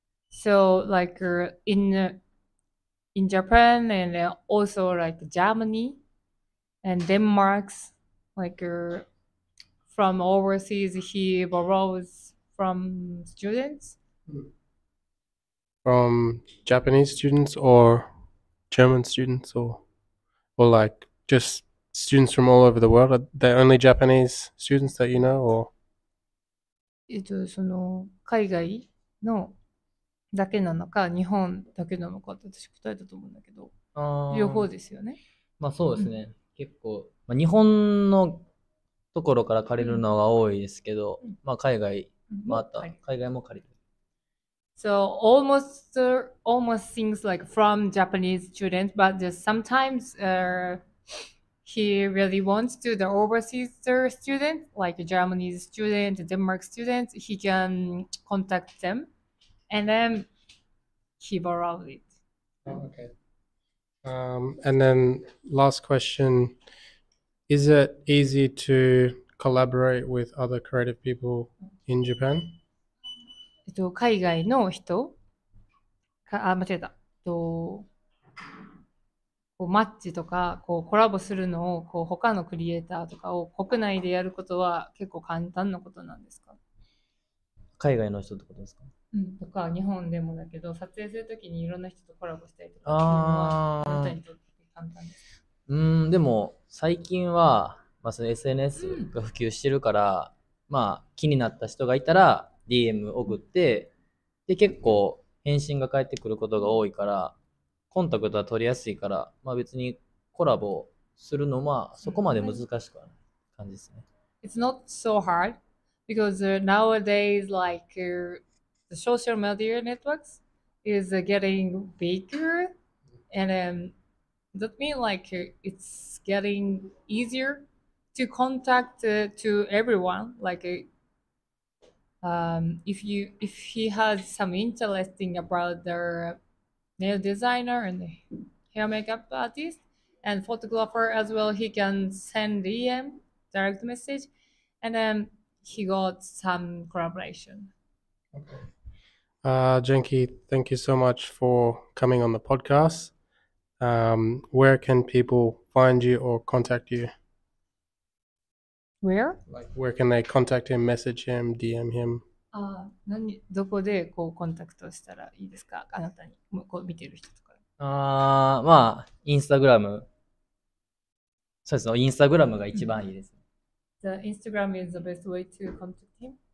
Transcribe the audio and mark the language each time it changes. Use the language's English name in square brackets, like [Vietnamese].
[English] So like in Japan and also like Germany and Denmark, like from overseas he borrows from students. From Japanese students or German students or like just students from all over the world? Are they only Japanese students that you know or? [Japanese] その海外のだけなのか日本だけなのかって私答えたと思うんだけど、両方ですよね。まあそうですね。結構、まあ、日本のところから借りるのが多いですけど、まあ海外もあった、海外も借りる。 [English] So almost things like from Japanese students, but just sometimes he really wants to the overseas student, like a Japanese student, a Denmark student, he can contact them and then he borrows it. Okay. And then last question, is it easy to collaborate with other creative people in Japan? [Japanese] 海外の人か、あ、間違えた。こうマッチとかこうコラボするのをこう他のクリエイターとかを国内でやることは結構簡単なことなんですか？海外の人ってことですか？うん、とか日本でもだけど撮影するときにいろんな人とコラボしたりとかするのは簡単にとって簡単ですか？でも最近は、まあ、その SNS が普及してるから、うん、まあ気になった人がいたら DM 送って、うん、で結構返信が返ってくることが多いからコンタクトは取りやすいから、まあ、別にコラボするのはそこまで難しくはない感じですね。 [English] It's not so hard because nowadays like the social media networks is getting bigger and that means like it's getting easier to contact to everyone like if he has some interesting about their nail designer and hair makeup artist and photographer as well, he can send DM, direct message, and then he got some collaboration. Okay. Genki, thank you so much for coming on the podcast. Where can people find you or contact you? Where? Like, where can they contact him, message him, DM him? [Japanese] どこでこうコンタクトしたらいいですか、あなたにもうこう見てる人とか。まあ、インスタグラム。そうですね、インスタグラムが一番いいです。 [English] The Instagram is the best way to contact him.